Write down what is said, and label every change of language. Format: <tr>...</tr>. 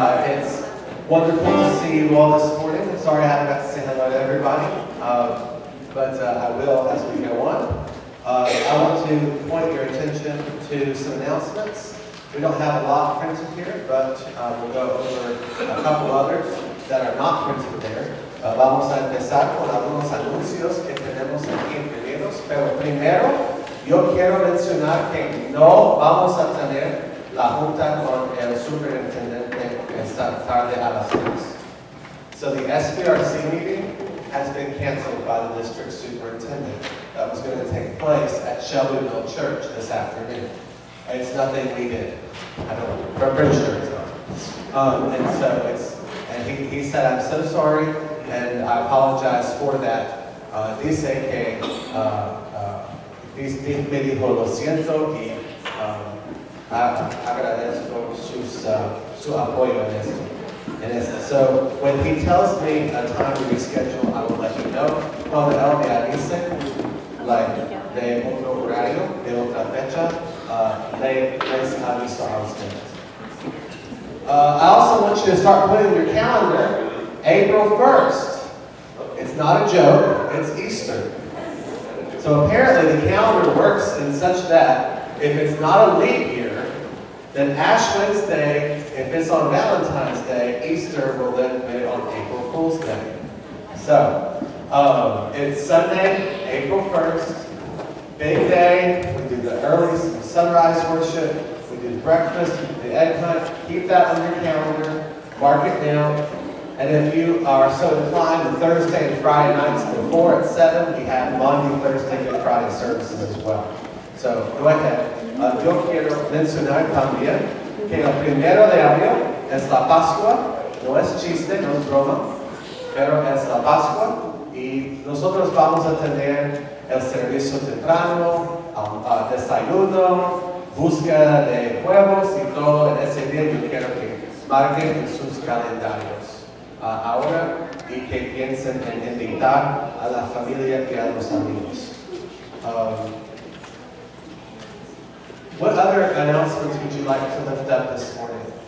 <en>It's wonderful to see you all this morning. Sorry I haven't got to say hello to everybody, but I will as we go on. I want to point your attention to some announcements. We don't have a lot printed here, but we'll go over a couple others that are not printed there.</en> <es>Vamos a empezar con algunos anuncios que tenemos aquí en Pedidos, pero primero, yo quiero mencionar que no vamos a tener la junta con el superintendente esta tarde a las 6.</es> <en>So the SBRC meeting has been canceled by the district superintendent. That was going to take place at Shelbyville Church this afternoon. It's nothing we did. I don't know. I'm pretty sure it's not. And he said, I'm so sorry, and I apologize for that.</en> <es>Dice que... me dijo lo siento y agradezco su apoyo en esto.</es> <en>So when he tells me a time to reschedule, I will let you know.</en> <es>Cuando él me avise, like, de otro horario, de otra fecha, les aviso a ustedes.</es> <en>I also want you to start putting in your calendar April 1st. It's not a joke, it's Easter. So apparently the calendar works in such that if it's not a leap year, then Ash Wednesday, if it's on Valentine's Day, Easter will then be on April Fool's Day. So it's Sunday, April 1st, big day, we do the early sunrise worship, we do the breakfast, we do the egg hunt, keep that on your calendar, mark it down. And if you are so inclined, the Thursday and Friday nights before at 7, we have Monday, Thursday, and Friday services as well. So, go ahead.</en> <es>Yo quiero mencionar también que el primero de abril es la Pascua. No es chiste, no es broma, pero es la Pascua. Y nosotros vamos a tener el servicio temprano, desayuno, búsqueda de huevos y todo en ese día. Yo quiero que marquen en sus calendarios. Ahora y que piensen en invitar a la familia y a los amigos.</es> <en>What other announcements would you like to lift up this morning?</en>